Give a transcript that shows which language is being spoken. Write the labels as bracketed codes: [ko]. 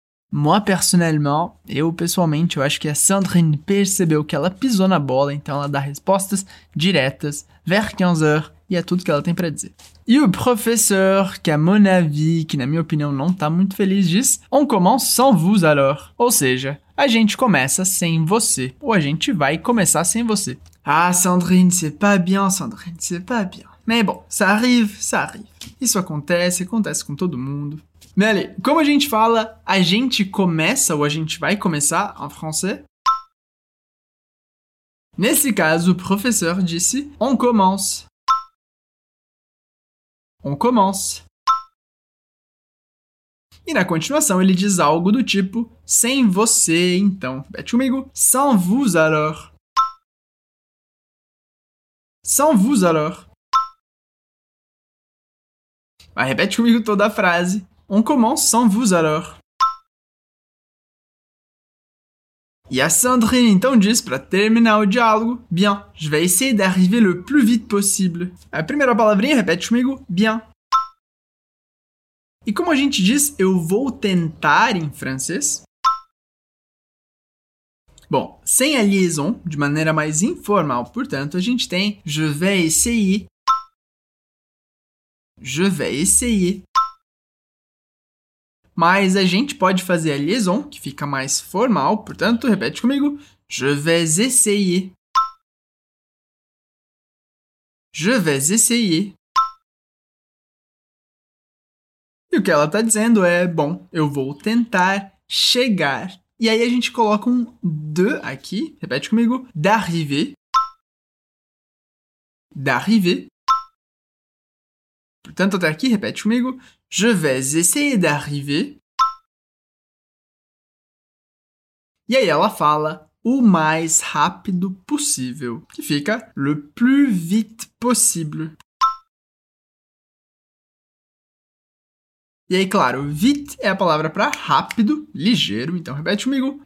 [fr] Moi, personnellement, [pt] eu pessoalmente, eu acho que a Sandrine percebeu que ela pisou na bola, então ela dá respostas diretas. [fr] Vers 15 heures. [pt] E é tudo que ela tem pra dizer. E o professeur, que [fr] à mon avis, [pt] que na minha opinião não tá muito feliz, diz [fr] on commence sans vous alors. [pt] Ou seja, a gente começa sem você. Ou a gente vai começar sem você. [fr] Ah, Sandrine, c'est pas bien, Sandrine, c'est pas bien. [pt] Mas bom, [fr] ça arrive, ça arrive. [pt] Isso acontece, acontece com todo mundo. Mais como a gente fala, a gente começa ou a gente vai começar em français? Nesse caso, o professeur disse on commence. [fr] On commence. [pt] E na continuação, ele diz algo do tipo sem você, então. Bete comigo. [fr] Sans vous alors. Sans vous alors. [pt] Vai, repete comigo toda a frase. [fr] On commence sans vous alors. [pt] E a Sandrine então diz para terminar o diálogo. [fr] Bien, je vais essayer d'arriver le plus vite possible. [pt] A primeira palavrinha, repete comigo. Bien. E como a gente diz, eu vou tentar em francês? Bom, sem a liaison, de maneira mais informal, portanto, a gente tem [fr] je vais essayer. Je vais essayer. [pt] Mas a gente pode fazer a liaison, que fica mais formal, portanto, repete comigo. [fr] Je vais essayer. Je vais essayer. [pt] E o que ela está dizendo é, bom, eu vou tentar chegar. E aí a gente coloca um de aqui, repete comigo, d'arriver. [fr] D'arriver. [pt] Portanto, até aqui, repete comigo. [fr] Je vais essayer d'arriver. [pt] E aí ela fala o mais rápido possível, que fica [fr] le plus vite possible. [pt] E aí, claro, vite é a palavra para rápido, ligeiro. Então, repete comigo.